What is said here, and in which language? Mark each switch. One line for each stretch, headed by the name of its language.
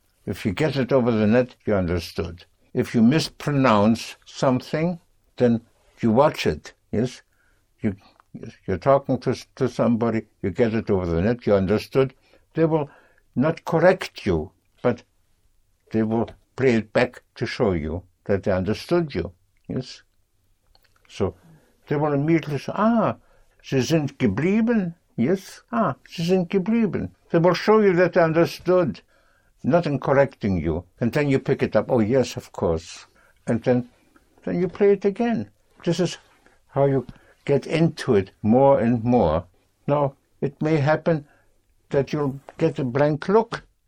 English: If you get it over the net, you understood. If you mispronounce something, then you watch it, yes? You're talking to somebody, you get it over the net, you understood. They will not correct you, but they will play it back to show you that they understood you, yes? So they will immediately say,
German: Sie sind geblieben?
English: Yes?
German: Sie sind geblieben.
English: They will show you that they understood, not in correcting you. And then you pick it up. Oh, yes, of course. And then you play it again. This is how you get into it more and more. Now, it may happen that you'll get a blank look.